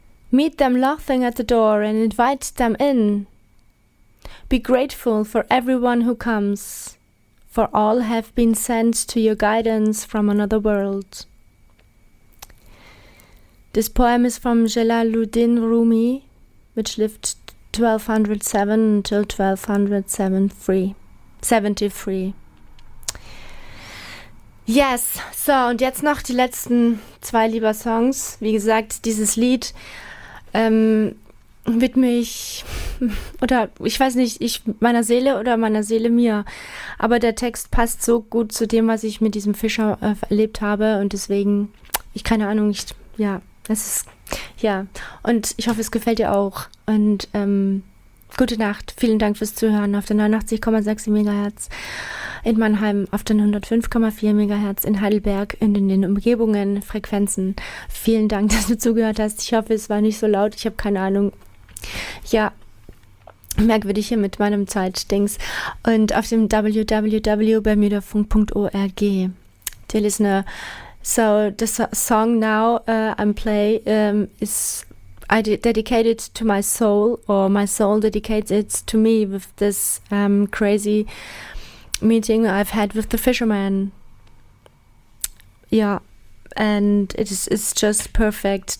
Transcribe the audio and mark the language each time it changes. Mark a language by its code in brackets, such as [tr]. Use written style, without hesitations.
[en] Meet them laughing at the door and invite them in. Be grateful for everyone who comes, for all have been sent to your guidance from another world. This poem is from Jalaluddin Rumi, which lived 1207 until 1273. [de] Yes, so und jetzt noch die letzten zwei lieber Songs. Wie gesagt, dieses Lied widme ich, oder ich weiß nicht, ich meiner Seele oder meiner Seele mir, aber der Text passt so gut zu dem, was ich mit diesem Fischer erlebt habe und deswegen, ich keine Ahnung, ich, ja, es ist, ja, und ich hoffe, es gefällt dir auch und gute Nacht, vielen Dank fürs Zuhören auf der 89,6 Megahertz in Mannheim, auf den 105,4 Megahertz in Heidelberg und in den Umgebungen, Frequenzen. Vielen Dank, dass du zugehört hast. Ich hoffe, es war nicht so laut. Ich habe keine Ahnung. Ja, merkwürdig hier mit meinem Zeitdings. Und auf dem www.bermudafunk.org. [en] Dear listener, so the song now I'm play is I dedicate it to my soul, or my soul dedicates it to me with this crazy meeting I've had with the fisherman. Yeah, and it's just perfect.